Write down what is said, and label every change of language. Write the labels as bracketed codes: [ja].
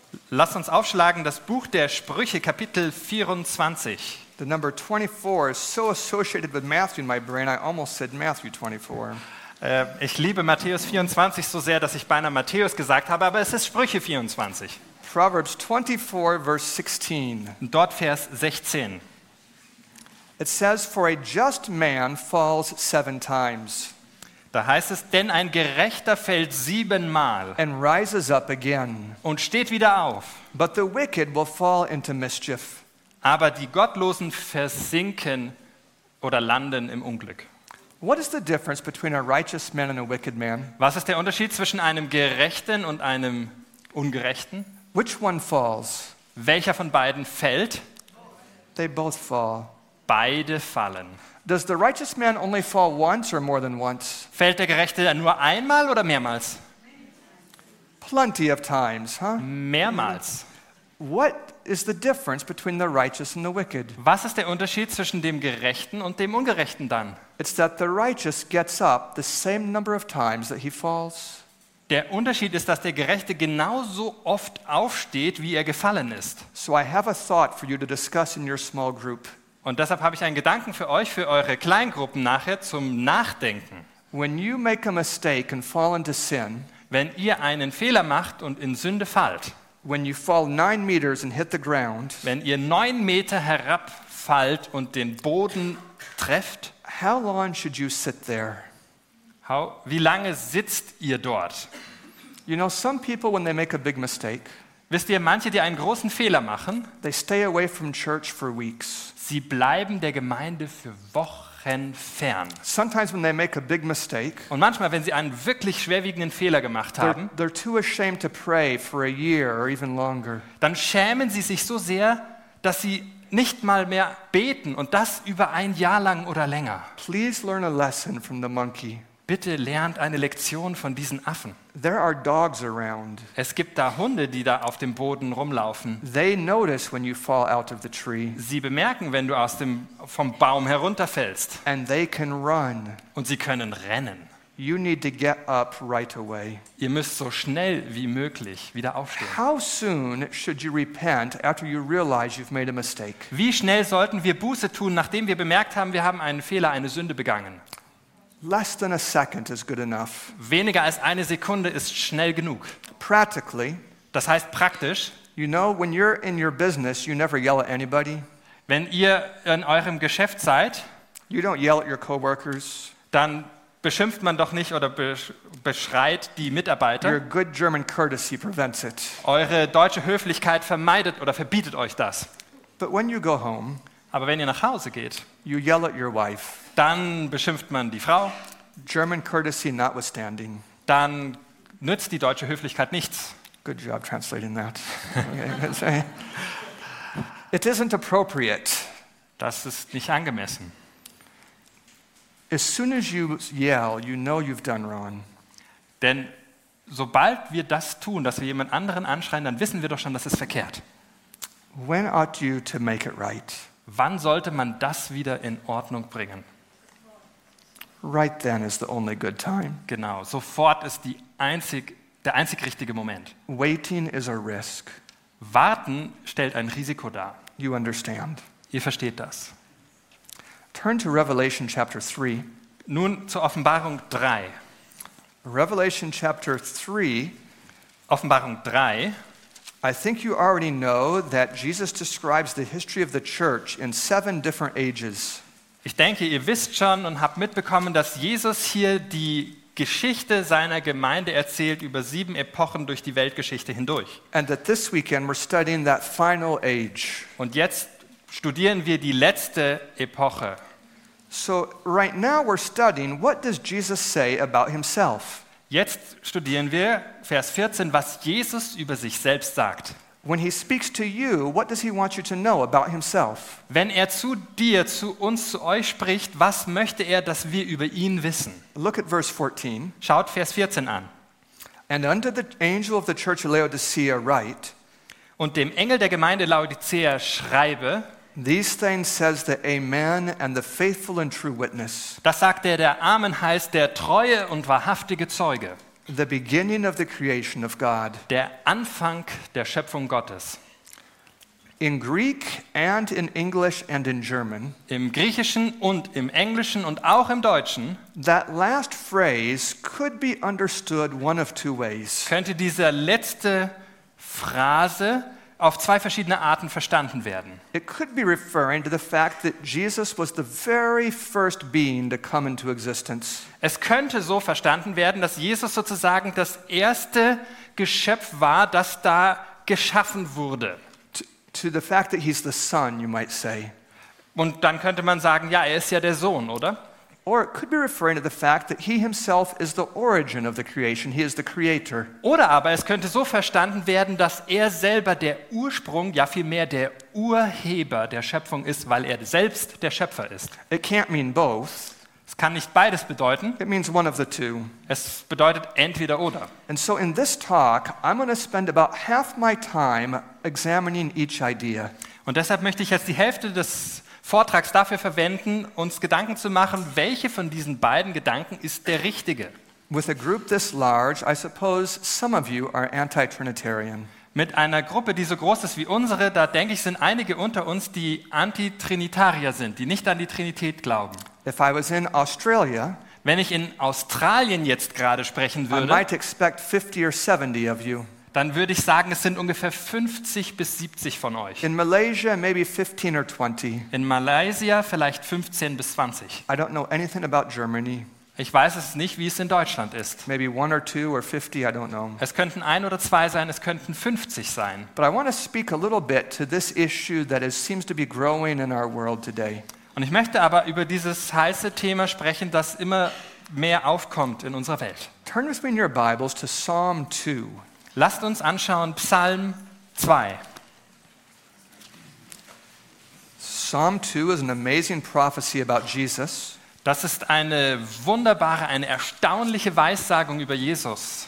[de] Lass uns aufschlagen das Buch der Sprüche, Kapitel 24. [en] The number 24 is so associated with Matthew in my brain, I almost said Matthew 24. [de] Ich liebe Matthäus 24 so sehr, dass ich beinahe Matthäus gesagt habe, aber es ist Sprüche 24. [en] Proverbs 24, verse 16. [de] Dort Vers 16. [en] It says, for a just man falls 7 times. [de] Da heißt es, denn ein Gerechter fällt 7 Mal [en] and rises up again. [de] Und steht wieder auf. [en] But the wicked will fall into mischief. [de] Aber die Gottlosen versinken oder landen im Unglück. [en] What is the difference between a righteous man and a wicked man? [de] Was ist der Unterschied zwischen einem Gerechten und einem Ungerechten? [en] Which one falls? [de] Welcher von beiden fällt? [en] They both fall. [de] Beide fallen. [en] Does the righteous man only fall once or more than once? [de] Fällt der Gerechte nur einmal oder mehrmals? [en] Plenty of times, huh? [de] Mehrmals. [en] What is the difference between the righteous and the wicked? [de] Was ist der Unterschied zwischen dem Gerechten und dem Ungerechten dann? [en] It's that the righteous gets up the same number of times that he falls. [de] Der Unterschied ist, dass der Gerechte genauso oft aufsteht, wie er gefallen ist. [en] So I have a thought for you to discuss in your small group. [de] Und deshalb habe ich einen Gedanken für euch, für eure Kleingruppen nachher zum Nachdenken. [en] When you make a mistake and fall into sin, [de] wenn ihr einen Fehler macht und in Sünde fallt, [en] when you fall 9 meters and hit the ground, [de] wenn ihr 9 Meter herabfallt und den Boden trefft, [en] how long should you sit there? [de] Wie lange sitzt ihr dort? [en] You know, some people when they make a big mistake, [de] wisst ihr, manche, die einen großen Fehler machen, [en] they stay away from church for weeks. [de] Sie bleiben der Gemeinde für Wochen fern. [en] Sometimes when they make a big mistake, [de] und manchmal, wenn sie einen wirklich schwerwiegenden Fehler gemacht haben, [en] they're too ashamed to pray for a year or even longer. [de] Dann schämen sie sich so sehr, dass sie nicht mal mehr beten, und das über ein Jahr lang oder länger. [en] Please learn a lesson from the monkey. [de] Bitte lernt eine Lektion von diesen Affen. [en] There are dogs around. [de] Es gibt da Hunde, die da auf dem Boden rumlaufen. [en] They notice when you fall out of the tree. [de] Sie bemerken, wenn du aus dem vom Baum herunterfällst. [en] And they can run. [de] Und sie können rennen. [en] You need to get up right away. [de] Ihr müsst so schnell wie möglich wieder aufstehen. [en] How soon should you repent after you realize you've made a mistake? [de] Wie schnell sollten wir Buße tun, nachdem wir bemerkt haben, wir haben einen Fehler, eine Sünde begangen? [en] Less than a second is good enough. [de] Weniger als eine Sekunde ist schnell genug. [en] Practically, [de] das heißt praktisch. [en] You know, when you're in your business, you never yell at anybody. [de] Wenn ihr in eurem Geschäft seid, [en] you don't yell at your coworkers. [de] Dann beschimpft man doch nicht oder beschreit die Mitarbeiter. [en] Your good German courtesy prevents it. [de] Eure deutsche Höflichkeit vermeidet oder verbietet euch das. [en] But when you go home, [de] aber wenn ihr nach Hause geht, [en] you yell at your wife. [de] Dann beschimpft man die Frau. [en] German courtesy notwithstanding. [de] Dann nützt die deutsche Höflichkeit nichts. [en] Good job translating that. Okay. It isn't appropriate. [de] Das ist nicht angemessen. [en] As soon as you yell, you know you've done wrong. [de] Denn sobald wir das tun, dass wir jemand anderen anschreien, dann wissen wir doch schon, das ist verkehrt. [en] When ought you to make it right? [de] Wann sollte man das wieder in Ordnung bringen? [en] Right then is the only good time. [de] Genau, sofort ist der einzig richtige Moment. [en] Waiting is a risk. [de] Warten stellt ein Risiko dar. [en] You understand. [de] Ihr versteht das. [en] Turn to Revelation chapter 3. [de] Nun zur Offenbarung 3. [en] Revelation chapter 3. [de] Offenbarung 3. [en] I think you already know that Jesus describes the history of the church in 7 different ages. [de] Ich denke, ihr wisst schon und habt mitbekommen, dass Jesus hier die Geschichte seiner Gemeinde erzählt über 7 Epochen durch die Weltgeschichte hindurch. [en] And that this weekend we're studying that final age. [de] Und jetzt studieren wir die letzte Epoche. [en] So right now we're studying, what does Jesus say about himself? [de] Jetzt studieren wir Vers 14, was Jesus über sich selbst sagt. [en] When he speaks to you, what does he want you to know about himself? [de] Wenn er zu dir, zu uns, zu euch spricht, was möchte er, dass wir über ihn wissen? [en] Look at verse 14. [de] Schaut Vers 14 an. [en] And unto the angel of the church of Laodicea write. [de] Und dem Engel der Gemeinde Laodicea schreibe. [en] These things says the Amen and the faithful and true witness. [de] Das sagt der Amen heißt, der treue und wahrhaftige Zeuge. [en] The beginning of the creation of God. [de] Der Anfang der Schöpfung Gottes. [en] In Greek and in English and in German. [de] Im Griechischen und im Englischen und auch im Deutschen. [en] That last phrase could be understood one of two ways. [de] Könnte diese letzte Phrase auf 2 verschiedene Arten verstanden werden. [en] It could be referring to the fact that Jesus was the very first being to come into existence. [de] Es könnte so verstanden werden, dass Jesus sozusagen das erste Geschöpf war, das da geschaffen wurde. [en] To the fact that he's the son, you might say. [de] Und dann könnte man sagen, ja, er ist ja der Sohn, oder? [en] Or it could be referring to the fact that he himself is the origin of the creation. He is the creator. [de] Oder aber es könnte so verstanden werden, dass er selber der Ursprung, ja vielmehr der Urheber der Schöpfung ist, weil er selbst der Schöpfer ist. [en] It can't mean both. [de] Es kann nicht beides bedeuten. [en] It means one of the two. [de] Es bedeutet entweder oder. [en] And so in this talk, I'm going to spend about half my time examining each idea. [de] Und deshalb möchte ich jetzt die Hälfte des Vortrags dafür verwenden, uns Gedanken zu machen, welche von diesen beiden Gedanken ist der richtige. [en] With a group this large, I suppose some of you are anti-Trinitarian. [de] Mit einer Gruppe, die so groß ist wie unsere, da denke ich, sind einige unter uns, die Anti-Trinitarier sind, die nicht an die Trinität glauben. [en] If I was in Australia, [de] Wenn ich in Australien jetzt gerade sprechen würde, [en] I might expect 50 or 70 of you. [de] Dann würde ich sagen, es sind ungefähr 50 bis 70 von euch. [en] In Malaysia maybe 15 or 20. [de] In Malaysia vielleicht 15 bis 20. [en] I don't know anything about Germany. [de] Ich weiß es nicht, wie es in Deutschland ist. [en] Maybe one or two or 50, I don't know. [de] Es könnten ein oder zwei sein, es könnten 50 sein. [en] But I want to speak a little bit to this issue that is, seems to be growing in our world today. [de] Und ich möchte aber über dieses heiße Thema sprechen, das immer mehr aufkommt in unserer Welt. [en] Turn with me in your Bibles to Psalm 2. [de] Lasst uns anschauen Psalm 2. [en] Psalm 2 is an amazing prophecy about Jesus. [de] Das ist eine wunderbare, eine erstaunliche Weissagung über Jesus.